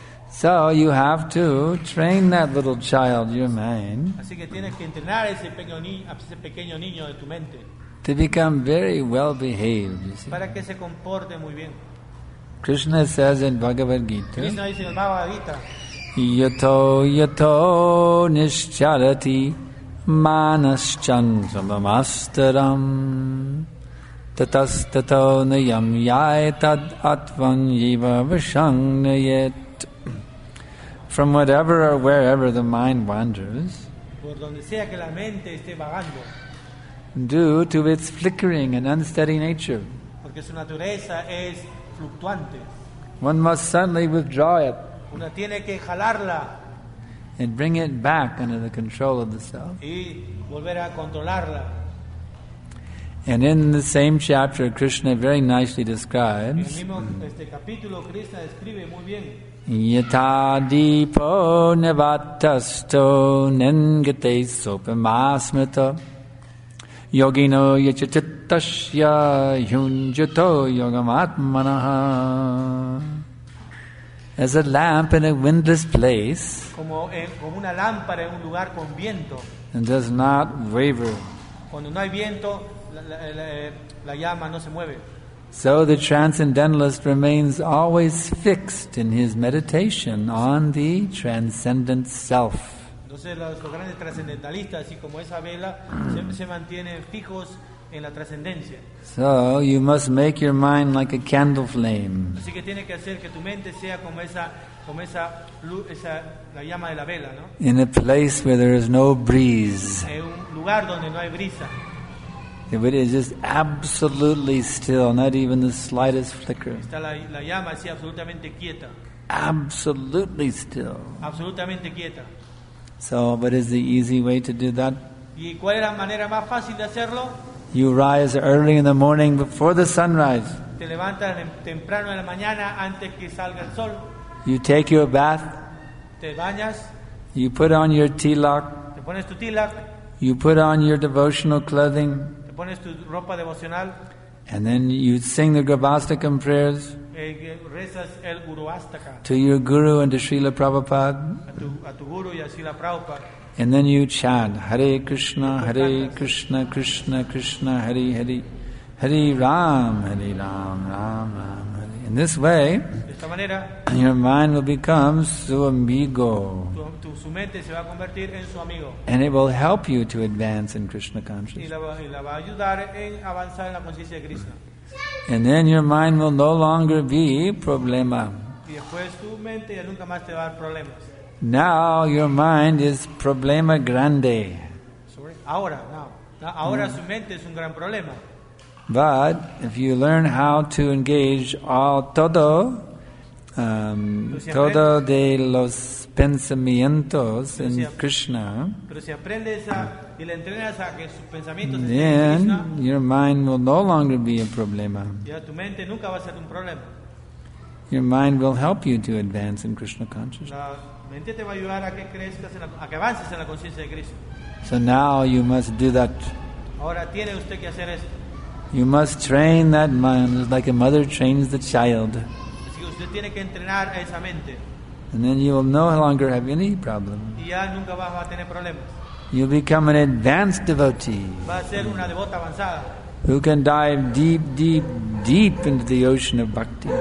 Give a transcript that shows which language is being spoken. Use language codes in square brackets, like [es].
[en] So you have to train that little child, your mind, [es] así que tienes que entrenar ese pequeño niño de tu mente, [en] to become very well behaved, you see. [es] Para que se comporte muy bien. [en] Krishna says in Bhagavad Gita, [es] Krishna dice en el Bhagavad Gita, [sa] yato yato nishchalati manas chanchalam astaram tatas tato nayam yaitad atvam jiva vishangayet. [en] From whatever or wherever the mind wanders, [es] por donde sea que la mente esté vagando, [en] due to its flickering and unsteady nature, [es] porque su naturaleza es fluctuante, [en] one must suddenly withdraw it. [es] Una tiene que jalarla [en] and bring it back under the control of the self. [es] Y volver a controlarla. [en] And in the same chapter, Krishna very nicely describes, [es] en el mismo este capítulo, Krishna describe muy bien, [sa] yatadipo nevatasto nengate sopamasmita yogino yachitasya yunjato yogamatmanaha. [en] As a lamp in a windless place, [es] como una lámpara en un lugar con viento, [en] and does not waver. [es] Cuando no hay viento, la llama no se mueve. [en] So the transcendentalist remains always fixed in his meditation on the transcendent self. [es] Entonces los grandes transcendentalistas, así como esa vela, se mantienen fijos. [en] So you must make your mind like a candle flame. [es] Así que tiene que hacer que tu mente sea como esa luz, esa la llama de la vela, ¿no? [en] In a place where there is no breeze. [es] En un lugar donde no hay brisa. [en] If it is just absolutely still, not even the slightest flicker. [es] Está la llama así absolutamente quieta. [en] Absolutely still. [es] Absolutamente quieta. [en] So what is the easy way to do that? [es] ¿Y cuál es la manera más fácil de hacerlo? [en] You rise early in the morning before the sunrise. [es] Te levantas temprano en la mañana antes que salga el sol. [en] You take your bath. [es] Te bañas. [en] You put on your tilak. [es] Te pones tu tilak. [en] You put on your devotional clothing. [es] Te pones tu ropa devocional. [en] And then you sing the Gurvastakam prayers. [es] Rezas el Gurvastaka. [en] To your guru and to Srila Prabhupada. [es] A tu guru y a Srila Prabhupada. [sa] And then you chant, Hare Krishna, Hare Krishna, Krishna Krishna, Hare Hare, Hare Ram, Hare Ram, Ram Ram, Hare. [en] In this way, your mind will become [es] su amigo. Su mente se va a convertir en su amigo. [en] And it will help you to advance in Krishna consciousness. [es] Y la va a ayudar en avanzar en la conciencia de Krishna. [en] And then your mind will no longer be problema. [es] Y después tu mente ya nunca más te va a dar problemas. [en] Now your mind is [es] problema grande. [en] Sorry. [es] Ahora, [en] now. [es] Ahora su mente es un gran problema. [en] But if you learn how to engage all [es] todo, todo de los pensamientos [en] en Krishna, [es] pero si aprendes a, y le entrenas a que sus pensamientos estén en Krishna, [en] your mind will no longer be a problema. [es] Ya tu mente nunca va a ser un problema. [en] Your mind will help you to advance in Krishna consciousness. [es] Te va a ayudar a que crezcas, a que avances en la conciencia de Cristo. [en] So now you must do that. [es] Ahora tiene usted que hacer esto. [en] You must train that mind like a mother trains the child. [es] Así que usted tiene que entrenar a esa mente. [en] And then you will no longer have any problem. [es] Y ya nunca va a tener problemas. [en] You become an advanced devotee. [es] Va a ser una devota avanzada. [en] Who can dive deep, deep, deep into the ocean of bhakti.